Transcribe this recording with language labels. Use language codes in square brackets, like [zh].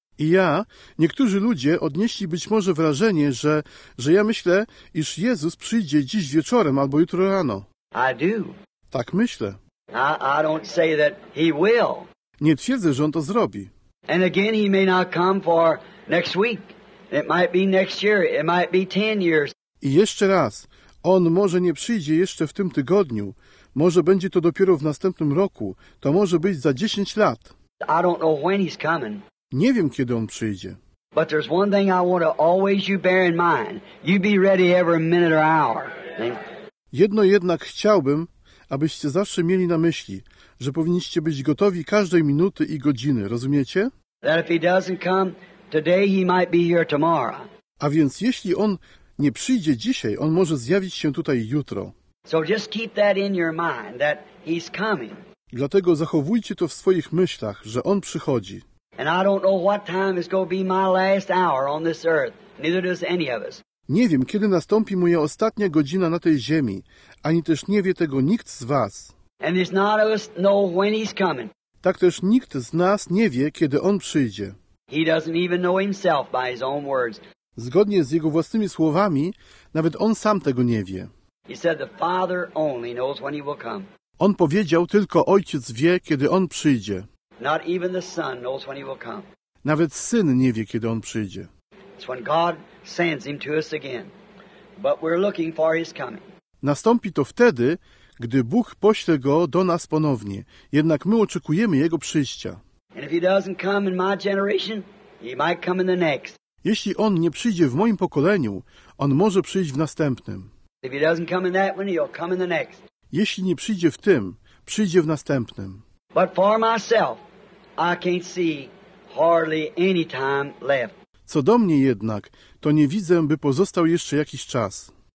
[pl] I ja, niektórzy ludzie odnieśli być może wrażenie, że ja myślę, iż Jezus przyjdzie dziś wieczorem albo jutro rano. [en] I do. [pl] Tak myślę. [en] I don't say that he will. [pl] Nie twierdzę, że on to zrobi. [en] And again, he may not come for next week. It might be next year. It might be 10 years. [pl] I jeszcze raz, on może nie przyjdzie jeszcze w tym tygodniu. Może będzie to dopiero w następnym roku. To może być za 10 lat. [en] I don't know when he's coming. [pl] Nie wiem, kiedy on przyjdzie. [en] But there's one thing I want to always you bear in mind. You be ready every minute or hour. [pl] Jedno jednak chciałbym, abyście zawsze mieli na myśli, że powinniście być gotowi każdej minuty i godziny, rozumiecie? [en] That if he doesn't come today, he might be here tomorrow. [pl] A więc jeśli on nie przyjdzie dzisiaj, on może zjawić się tutaj jutro. [en] So just keep that in your mind, that he's coming. [pl] Dlatego zachowujcie to w swoich myślach, że on przychodzi. [en] And I don't know what time is going to be my last hour on this earth. Neither does any of us. [pl] Nie wiem, kiedy nastąpi moja ostatnia godzina na tej ziemi, ani też nie wie tego nikt z was. [en] And it's not us know when he's coming. [pl] Tak też nikt z nas nie wie, kiedy on przyjdzie. [en] He doesn't even know himself by his own words. [pl] Zgodnie z jego własnymi słowami, nawet on sam tego nie wie. [en] He said the Father only knows when he will come. [pl] On powiedział, tylko Ojciec wie, kiedy on przyjdzie. [en] Not even the Son knows when he will come. [pl] Nawet Syn nie wie, kiedy on przyjdzie. [en] It's when God sends him to us again. But we're looking for his coming. [pl] Nastąpi to wtedy, gdy Bóg pośle go do nas ponownie. Jednak my oczekujemy jego przyjścia. [en] And if he doesn't come in my generation, he might come in the next. [pl] Jeśli on nie przyjdzie w moim pokoleniu, on może przyjść w następnym. [en] If he doesn't come in that one, he'll come in the next. [pl] Jeśli nie przyjdzie w tym, przyjdzie w następnym. [en] But for myself, I can't see hardly any time left. [pl] Co do mnie jednak, to nie widzę, by pozostał jeszcze jakiś czas.